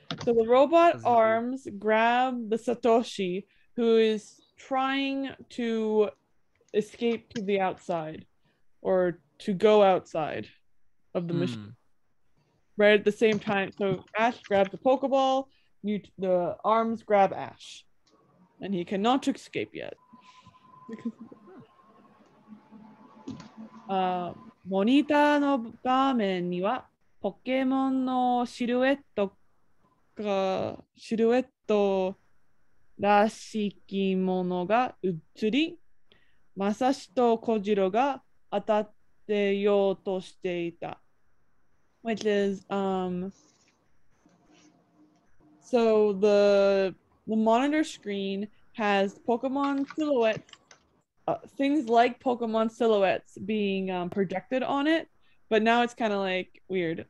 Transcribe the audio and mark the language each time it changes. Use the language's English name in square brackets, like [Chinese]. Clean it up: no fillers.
[English] So the robot arms grab the Satoshi, who is trying to escape to the outside, or to go outside of the machine. Right at the same time, so Ash grabs the Pokeball, the arms grab Ash, and he cannot escape yet. [Japanese] モニターの場面にはポケモンのシルエットがシルエットらしきものが映り、マサシとコジロが当たってようとしていた。 [English] Which is so the monitor screen has Pokemon silhouettes. Things like Pokemon silhouettes being projected on it, but now it's kind of like weird.